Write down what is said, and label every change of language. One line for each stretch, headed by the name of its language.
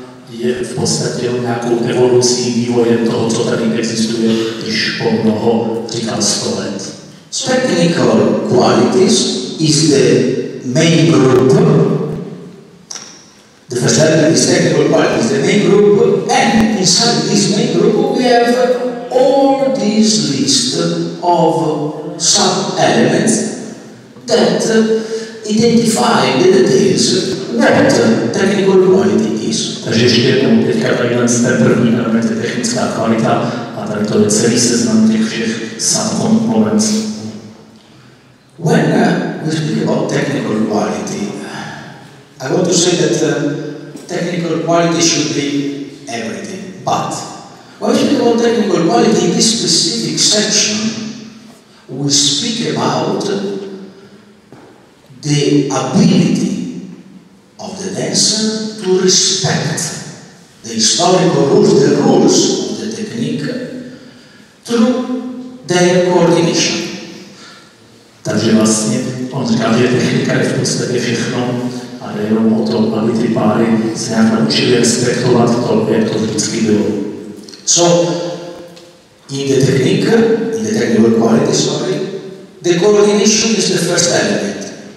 Czech: Je v podstatě nějakou evolucí, vývojem toho, co tady existuje, když po mnoho, říkám, 100 let.
English: Technical qualities is the main group. The first element is technical qualities, the main group. And inside this main group, we have all this list of sub-elements that identify the details what technical quality is.
Czech: Takže ještě jednou, teďka tady jen ten první element je technická kvalita a tady to je celý seznam těch všech sub-components.
English: When we speak about technical quality, I want to say that technical quality should be everything. But Why should you call technical quality in this specific section? We speak about the ability of the dancer to respect the historical rules, the rules of the technique, through their coordination.
Czech: Takže vlastně on říká, že technika je v podstatě všechno a jde jenom o to, aby ty páry se nějak naučili respektovat to, jak to vždycky bylo.
English: So, in the technique, in the technical quality, sorry, the coordination is the first element.